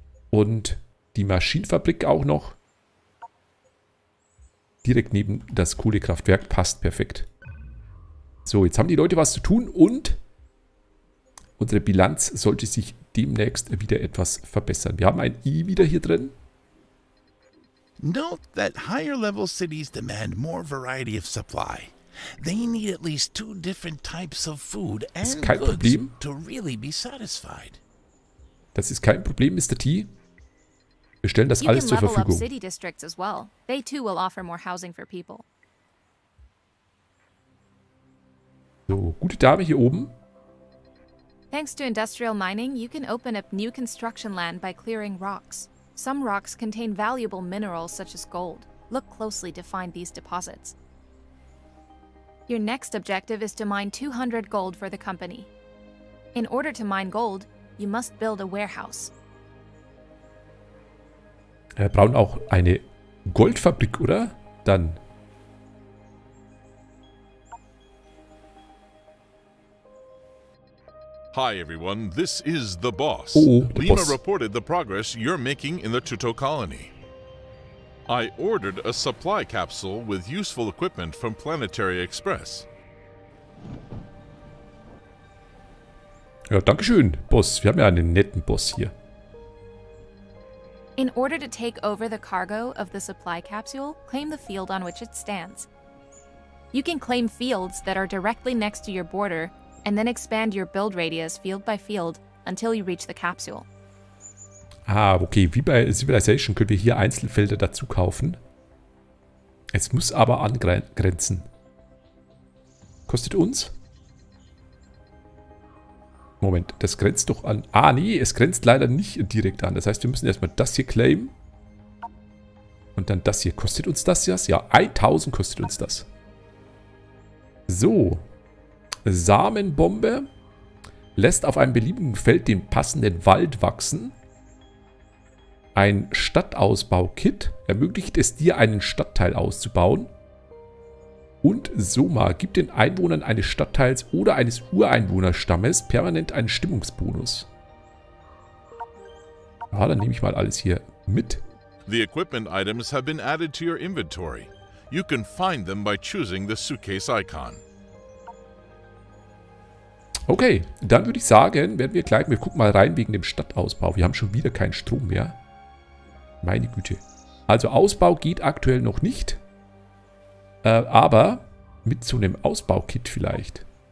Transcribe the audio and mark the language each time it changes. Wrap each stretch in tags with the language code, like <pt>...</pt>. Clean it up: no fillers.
<de>Und die Maschinenfabrik auch noch. direkt neben das Kohlekraftwerk. Passt perfekt. So, jetzt haben die Leute was zu tun und unsere Bilanz sollte sich demnächst wieder etwas verbessern. Wir haben ein I wieder hier drin.</de> <en>Note that higher level cities demand more variety of supply. They need at least two different types of food and goods to really be satisfied.</en> <de>Das ist kein Problem, Mr. T. Wir stellen das alles zur Verfügung.</de> <en>City districts as well. They too will offer more housing for people.</en> <de>So, gute Dame hier oben.</de> <en>Thanks to industrial mining, you can open up new construction land by clearing rocks. Some rocks contain valuable minerals such as gold. Look closely to find these deposits. Your next objective is to mine 200 gold for the company. In order to mine gold, you must build a warehouse.</en> <de>Wir brauchen auch eine Goldfabrik, oder? Dann.</de> <en>Hi everyone, this is the boss. Oh, the Lima boss. Reported the progress you're making in the Tuto colony. I ordered a supply capsule with useful equipment from Planetary Express.</en> <de>Ja, danke schön, Boss. Wir haben ja einen netten Boss hier.</de> <en>In order to take over the cargo of the supply capsule, claim the field on which it stands. You can claim fields that are directly next to your border and then expand your build radius field by field until you reach the capsule. Ah, okay.</en> <de>Wie bei Civilization können wir hier Einzelfelder dazu kaufen. Es muss aber angrenzen. Kostet uns? Moment, das grenzt doch an. Ah, nee, es grenzt leider nicht direkt an. Das heißt, wir müssen erstmal das hier claimen. Und dann das hier. Kostet uns das jetzt? Ja, 1000 kostet uns das. So. Samenbombe lässt auf einem beliebigen Feld den passenden Wald wachsen. Ein Stadtausbau-Kit ermöglicht es dir, einen Stadtteil auszubauen. Und Soma gibt den Einwohnern eines Stadtteils oder eines Ureinwohnerstammes permanent einen Stimmungsbonus. Ah, dann nehme ich mal alles hier mit.</de> <en>The equipment items have been added to your inventory. You can find them by choosing the suitcase icon.</en> <de>Okay, dann würde ich sagen, werden wir gleich, wir gucken mal rein wegen dem Stadtausbau. Wir haben schon wieder keinen Strom mehr. Meine Güte. Also Ausbau geht aktuell noch nicht. Aber mit so einem Ausbaukit vielleicht.</de>